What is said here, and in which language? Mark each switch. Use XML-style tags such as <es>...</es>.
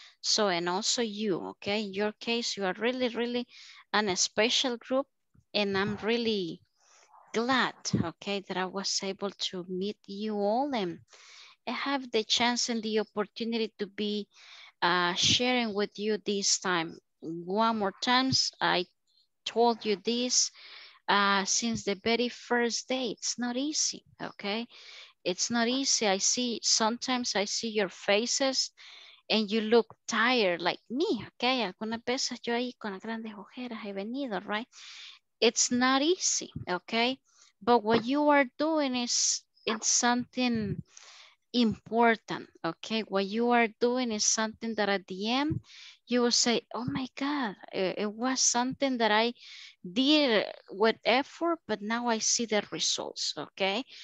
<en>So, and also you, okay? In your case, you are really, really an special group, and I'm really glad, okay, that I was able to meet you all and have the chance and the opportunity to be sharing with you this time. One more time, I told you this since the very first day. It's not easy, okay? It's not easy. I see, sometimes I see your faces and you look tired like me, okay?</en> <es>Algunas veces yo ahí con las grandes ojeras he venido,</es> <en>right? It's not easy, okay? But what you are doing is, it's something important, okay? What you are doing is something that at the end, you will say, oh my God, it was something that I did with effort, but now I see the results, okay?</en>